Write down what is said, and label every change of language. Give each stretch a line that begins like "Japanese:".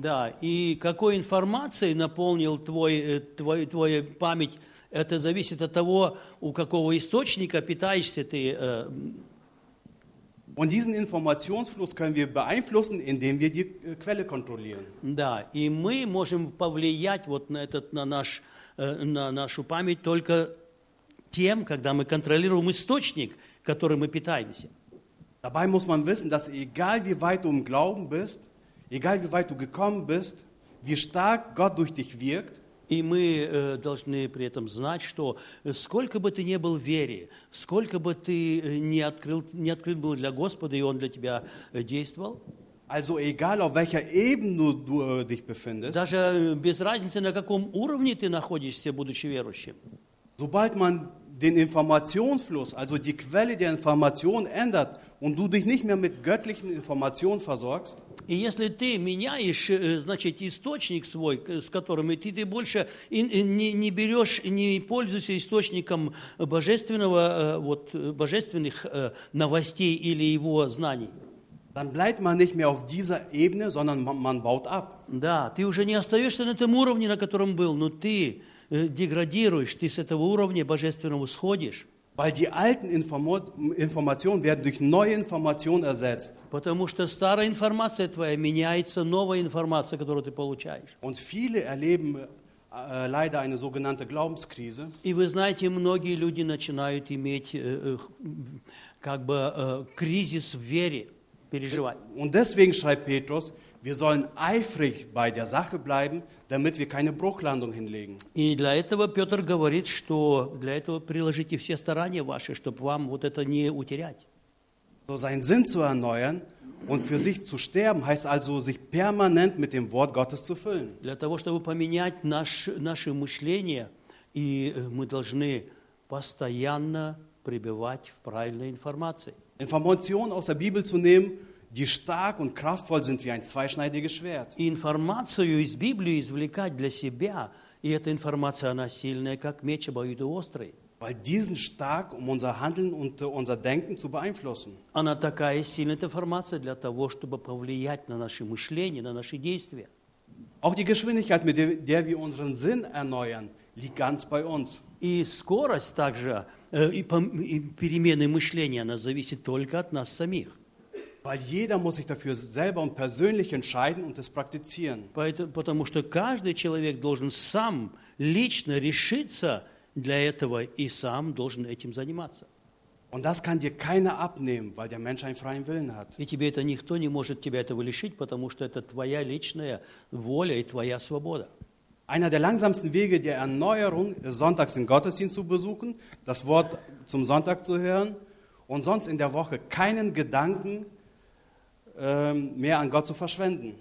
Russian: Да, и какой информацией наполнил твоя память, это зависит от того, у какого источника питаешься ты.
German: Und diesen Informationsfluss können wir beeinflussen, indem wir die Quelle kontrollieren.
Russian: Да, и мы можем повлиять вот на этот, на наш, на нашу память только тем, когда мы контролируем источник, которым мы питаемся.
German: Dabei muss man wissen, dass egal wie weit du im Glauben bist, egal wie weit du gekommen bist, wie stark Gott durch dich wirkt.
Russian: И мы должны при этом знать, что сколько бы ты ни был в вере, сколько бы ты не открыт был для Господа, и Он для тебя действовал.
German: Also egal, auf welcher Ebene du dich befindest.
Russian: Даже без разницы, на каком уровне ты находишься, будучи верующим.
German: Sobald man den Informationsfluss, also die Quelle der Information ändert und du dich nicht mehr mit göttlichen Informationen versorgst,
Russian: и если ты меняешь, значит, источник свой, с которым ты больше не берешь, не пользуешься источником божественного, вот, божественных новостей или его знаний,
German: dann bleibt man nicht mehr auf dieser Ebene, sondern man baut ab.
Russian: Да, ты уже не остаешься на том уровне, на котором был, но ты деградируешь, ты с этого уровня божественного сходишь.
German: Weil die alten Informationen werden durch neue Informationen ersetzt.
Russian: Потому что старая информация твоя меняется новой информацией, которую ты получаешь.
German: Und viele erleben leider eine sogenannte Glaubenskrise.
Russian: И вы знаете, многие люди начинают иметь как бы кризис в вере переживать.
German: Und deswegen schreibt Petrus: Wir sollen eifrig bei der Sache bleiben, damit wir keine Bruchlandung hinlegen.
Russian: И для этого Петр говорит, что для этого приложите все старания ваши, чтобы вам вот это не утерять.
German: So seinen Sinn zu erneuern und für sich zu sterben heißt also, sich permanent mit dem Wort Gottes zu füllen.
Russian: Для того, чтобы поменять наше мышление, и мы должны постоянно пребывать в правильной информации.
German: Informationen aus der Bibel zu nehmen, die stark und kraftvoll sind wie ein zweischneidiges Schwert.
Russian: Информацию из Библии извлекать для себя, и эта информация, она сильная, как меч обоюдоострый.
German: Weil diesen stark, um unser Handeln und unser Denken zu beeinflussen.
Russian: Она такая сильная информация для того, чтобы повлиять на наши мышления, на наши действия.
German: Auch die Geschwindigkeit, mit der wir unseren Sinn erneuern, liegt ganz bei uns.
Russian: И скорость также, и перемены мышления, она зависит только от нас самих.
German: Weil jeder muss sich dafür selber und persönlich entscheiden und es praktizieren.
Russian: Потому что каждый человек должен сам лично решиться для этого и сам должен этим заниматься.
German: Und das kann dir keiner abnehmen, weil der Mensch einen freien Willen hat.
Russian: И тебе это никто не может тебя этого лишить, потому что это твоя личная воля и твоя свобода.
German: Einer der langsamsten Wege der Erneuerung ist sonntags den Gottesdienst zu besuchen, das Wort zum Sonntag zu hören und sonst in der Woche keinen Gedanken mehr an Gott zu verschwenden.